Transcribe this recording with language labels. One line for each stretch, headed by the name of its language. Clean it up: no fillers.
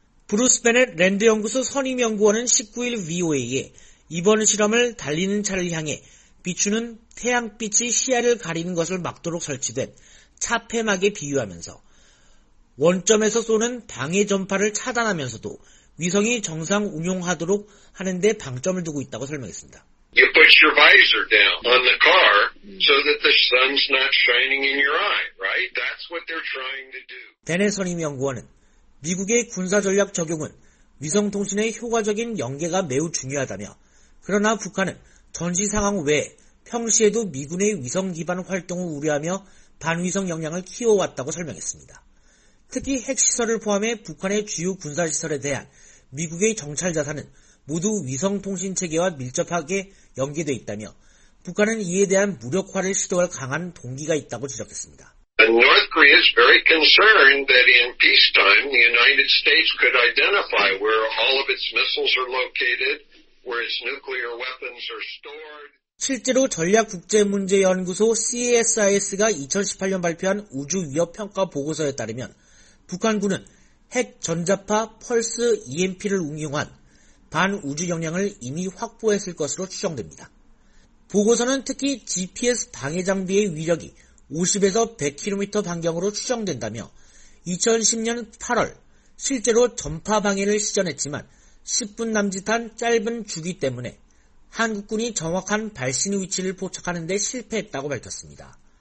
Korean: 브루스 베넷 랜드연구소 선임연구원은 19일 VOA에 이번 실험을 달리는 차를 향해 비추는 태양빛이 시야를 가리는 것을 막도록 설치된 차폐막에 비유하면서 원점에서 쏘는 방해 전파를 차단하면서도 위성이 정상 운용하도록 하는 데 방점을 두고 있다고 설명했습니다.
English: You put your visor down on the car so that the sun's not shining in your eye, right? That's what they're trying to do.
Korean: 벤의 선임 연구원은 미국의 군사전략 적용은 위성통신의 효과적인 연계가 매우 중요하다며 그러나 북한은 전시상황 외에 평시에도 미군의 위성 기반 활동을 우려하며 반위성 역량을 키워왔다고 설명했습니다. 특히 핵시설을 포함해 북한의 주요 군사시설에 대한 미국의 정찰 자산은 모두 위성통신체계와 밀접하게 연계되어 있다며 북한은 이에 대한 무력화를 시도할 강한 동기가 있다고 지적했습니다.
English: North Korea is very concerned that in peacetime the United States could identify where all of its missiles are located, where its nuclear weapons are stored.
Korean: 실제로 전략국제문제연구소 CSIS가 2018년 발표한 우주위협평가보고서에 따르면 북한군은 핵전자파 펄스 EMP를 응용한 반우주 역량을 이미 확보했을 것으로 추정됩니다. 보고서는 특히 GPS 방해 장비의 위력이 50에서 100km 반경으로 추정된다며 2010년 8월 실제로 전파 방해를 시전했지만 10분 남짓한 짧은 주기 때문에 한국군이 정확한 발신 위치를 포착하는 데 실패했다고 밝혔습니다.